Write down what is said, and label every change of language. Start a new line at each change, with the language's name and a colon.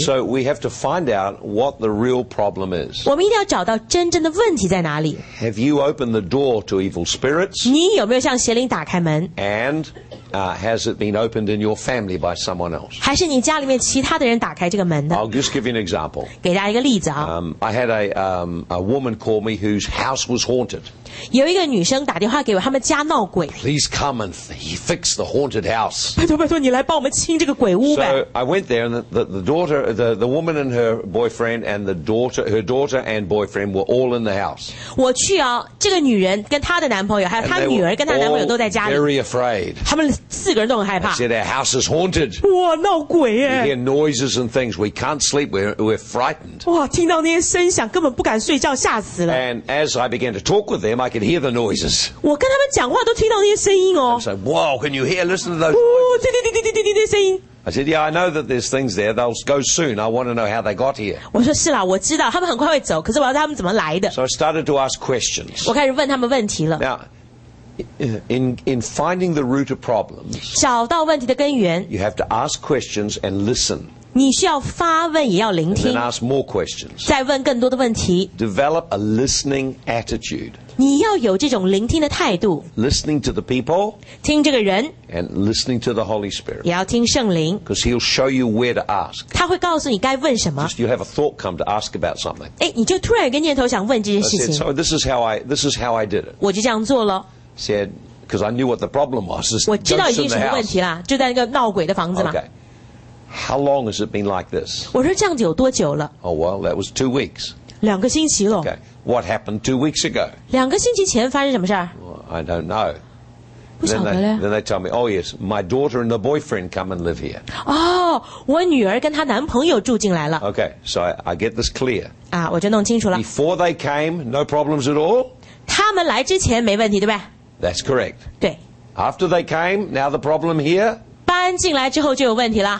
English: So we have to find out what the real problem is.
Chinese: 我们一定要找到真正的问题在哪里。
English: Have you opened the door to evil spirits?
Chinese: 你有没有向邪灵打开门？
English: And, has it been opened in your family by someone else?
Chinese: 还是你家里面其他的人打开这个门的？
English: I'll just give you an example.
Chinese: 给大家一个例子啊。
English: I had a woman call me whose house was haunted.
Chinese: 有一个女生打电话给我，他们家闹鬼。
English: Please come and fix the haunted house.
Chinese: 拜托拜托，你来帮我们清这个鬼屋呗。
English: So I went there, and the daughter, the woman and her boyfriend, and the daughter, her daughter and boyfriend were all in the house.
Chinese: 我去啊，这个女人跟她的男朋友，还有她女儿跟她男朋友都在家里。
English: Very afraid.
Chinese: 他们四个人都很害怕。
English: Said our house is haunted.
Chinese: 哇，闹鬼耶。
English: We hear noises and things. We can't sleep. We're frightened.
Chinese: 哇，听到那些声响，根本不敢睡觉，吓死了。
English: And as I began to talk with them, I could hear the noises.
Chinese: 我跟他们讲话都听到那些声音哦。
English: I said, "Wow, can you hear? Listen to those." 哦，
Chinese: 滴滴滴滴滴滴滴滴声音。
English: I said, "Yeah, I know that there's things there. They'll go soon. I want to know how they got here."
Chinese: 我说是啦，我知道他们很快会走，可是我要知道他们怎么来的。
English: So I started to ask questions.
Chinese: 我开始问他们问题了。
English: Now, in finding the root of problems,
Chinese: 找到问题的根源
English: you have to ask questions and listen.
Chinese: 你需要发问也要聆听
English: ask more questions.
Chinese: 再问更多的问题
English: Develop a listening attitude.
Chinese: 你要有这种聆听的态度
English: Listening to the people.
Chinese: 听这个人
English: And listening to the Holy Spirit.
Chinese: 也要听圣灵
English: Because he'll show you where to ask.
Chinese: 他会告诉你该问什么
English: Just you have a thought come to ask about something.
Chinese: 诶，你就突然有个念头想问这件事情
English: I said, this is how I did it.
Chinese: 我就这样做了
English: Said, because I knew what the problem was.
Chinese: 我知道已经什么问题了就在那个闹鬼的房子嘛
English: OkayHow long has it been like this?
Chinese: 我说这样子有多久了
English: Oh, well, that was 2 weeks.
Chinese: 两个星期了。
English: Okay. What happened 2 weeks ago?
Chinese: 两个星期前发生什么事儿
English: I don't know.
Chinese: 不晓得了。
English: Then they tell me, oh yes, my daughter and the boyfriend come and live here.
Chinese: 哦、oh, 我女儿跟她男朋友住进来了。
English: Okay, so I get this clear.
Chinese: 啊、我就弄清楚了。
English: Before they came, no problems at all?
Chinese: 他们来之前没问题对吧
English: That's correct.
Chinese: 对。
English: After they came, now the problem here?
Chinese: 搬进来之后就有问题了。